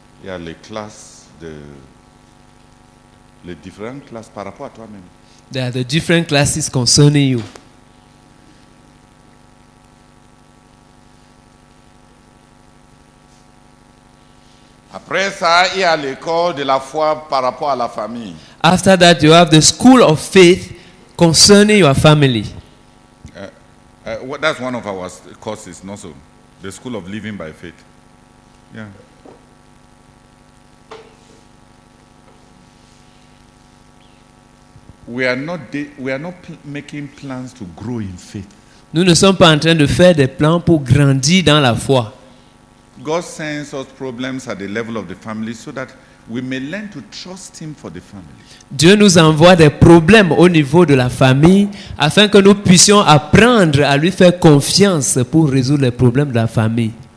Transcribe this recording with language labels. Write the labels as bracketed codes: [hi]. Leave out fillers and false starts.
[fr] Il y a les classes de les différentes classes par rapport à toi-même. [en] There are the different classes concerning you. [fr] Après ça, il y a l'école de la foi par rapport à la famille. [en] After that, you have the school of faith concerning your family. That's one of our courses, not so. The school of living by faith. Yeah. We are not making plans to grow in faith. [fr] Nous ne sommes pas en train de faire des plans pour grandir dans la foi. [en] God sends us problems at the level of the family so that We may learn to trust him for the family. [fr] Dieu nous envoie des problèmes au niveau de la famille afin que nous puissions apprendre à lui faire confiance pour résoudre les problèmes de la famille.